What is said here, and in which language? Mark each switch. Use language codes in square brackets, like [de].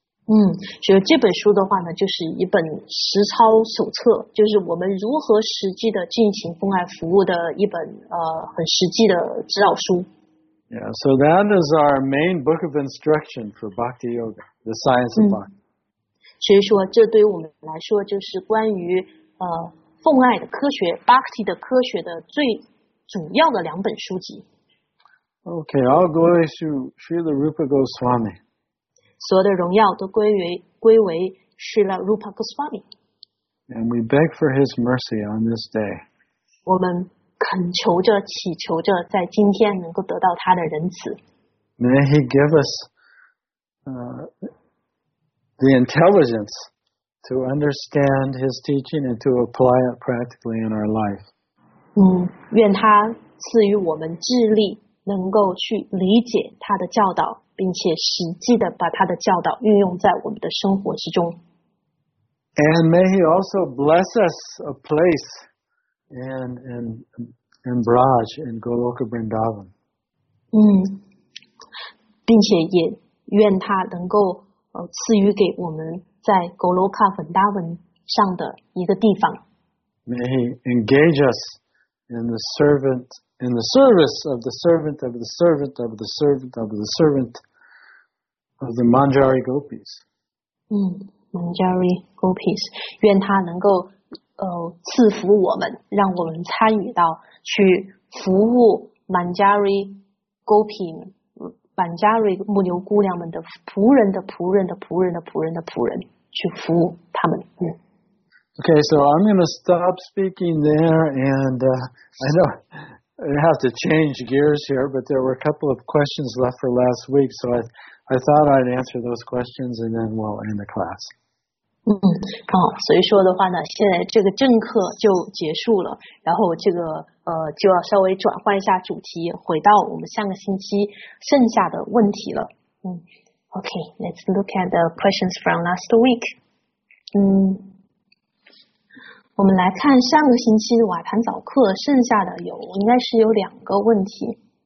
[zh] 所以这本书的话呢，就是一本实操手册，就是我们如何实际的进行奉爱服务的一本很实际的指导书。 [en] Yeah, so that is our main book of instruction for Bhakti Yoga, the science of Bhakti. [zh] 所以说，这对于我们来说就是关于奉爱的科学 Bhakti 的科学的最主要的两本书籍。 [en] Okay, all glory to Srila Rupa Goswami. [zh] 所有的荣耀都归为 Srila Rupa Goswami. [en] And we beg for his mercy on this day. [zh] 我们恳求着、祈求着，在今天能够得到他的仁慈。 [en] May he give us the intelligence to understand his teaching and to apply it practically in our life. [zh] 愿他赐予我们智力。能够去理解他的教导，并且实际的把他的教导运用在我们的生活之中。 [en] And may he also bless us a place in Braj in Goloka Vrindavan. [zh] 并且也愿他能够赐予给我们在格罗卡文达文上的一个地方。 [en] May he engage us in the servant, in the service of the servant of the servant of the servant of the servant of the Manjari Gopis. [zh] Manjari Gopis, 愿他能够赐福我们，让我们参与到去服务 Manjari Gopi 们。满加瑞牧牛姑娘们的仆人的仆人的仆人的仆人的仆人去服务他们。 [en] Okay, so I'm going to stop speaking there, and I know I have to change gears here, but there were a couple of questions left for last week, so I thought I'd answer those questions, and then we'll end the class. [zh] 所以说的话呢，现在这个正课就结束了，然后这个就要稍微转换一下主题，回到我们上个星期剩下的问题了。 [en] OK, let's look at the questions from last week. [zh] 我们来看上个星期的瓦坛早课剩下的有，应该是有两个问题。